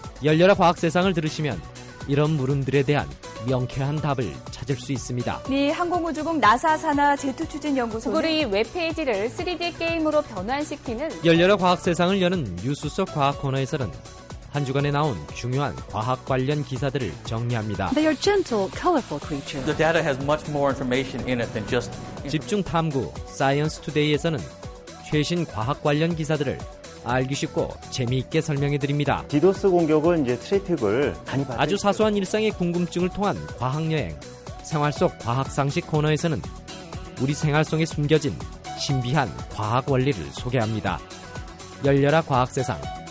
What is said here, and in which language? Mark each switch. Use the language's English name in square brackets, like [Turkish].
[Korean] 열렬한 과학 세상을 들으시면 이런 물음들에 대한 명쾌한 답을 찾을 수 있습니다. 미 항공우주국 나사 산하 제트추진연구소는 구글의 웹페이지를 3D 게임으로 변환시키는 열렬한 과학 세상을 여는 뉴스 속 과학 코너에서는 한 주간에 나온 중요한 과학 관련 기사들을 정리합니다. [English] They are gentle, colorful creatures. The data has much more information in it than just [Korean] 집중 탐구 사이언스 투데이에서는 최신 과학 관련 기사들을 알기 쉽고 재미있게 설명해 드립니다. 디도스 공격은 이제 트래픽을 많이 받아 아주 사소한 일상의 궁금증을 통한 과학 여행, 생활 속 과학 상식 코너에서는 우리 생활 속에 숨겨진 신비한 과학 원리를 소개합니다. 열려라 과학 세상.